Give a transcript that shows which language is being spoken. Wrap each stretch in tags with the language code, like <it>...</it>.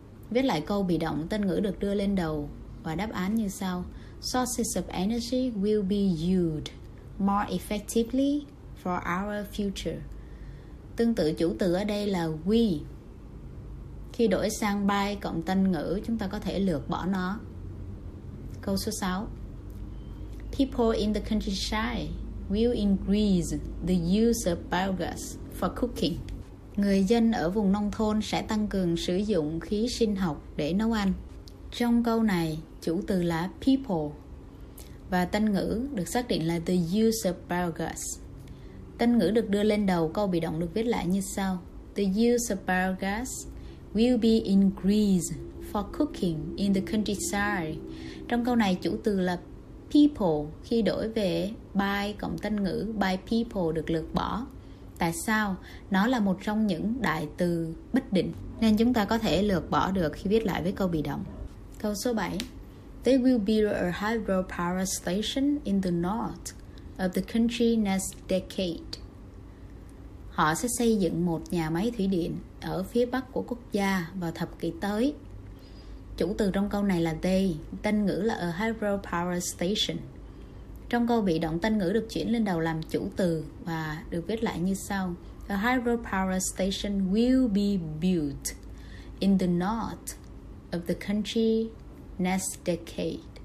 <vi>Viết lại câu bị động, tên ngữ được đưa lên đầu và đáp án như sau:</vi> <en>Sources of energy will be used more effectively for our future.</en> <vi>Tương tự chủ từ ở đây là we. Khi đổi sang by cộng tên ngữ, chúng ta có thể lược bỏ nó. Câu số 6.</vi> <en>People in the countryside will increase the use of biogas for cooking.</en> <vi>Người dân ở vùng nông thôn sẽ tăng cường sử dụng khí sinh học để nấu ăn. Trong câu này, chủ từ là people và tên ngữ được xác định là</vi> <en>the use of biogas.</en> <vi>Tên ngữ được đưa lên đầu, câu bị động được viết lại như sau:</vi> <en>The use of biogas will be increased for cooking in the countryside.</en> <vi>Trong câu này, chủ từ là people, khi đổi về by cộng tên ngữ, by people được lược bỏ. Tại sao? Nó là một trong những đại từ bất định nên chúng ta có thể lược bỏ được khi viết lại với câu bị động. Câu số 7.</vi> <en>They will build a hydropower station in the north of the country next decade.</en> <vi>Họ sẽ xây dựng một nhà máy thủy điện ở phía bắc của quốc gia vào thập kỷ tới. Chủ từ trong câu này là they, tên ngữ là</vi> <en>a hydropower station.</en> <vi>Trong câu bị động, tên ngữ được chuyển lên đầu làm chủ từ và được viết lại như sau:</vi> <en>A hydropower station will be built in the north of the country next decade.</en>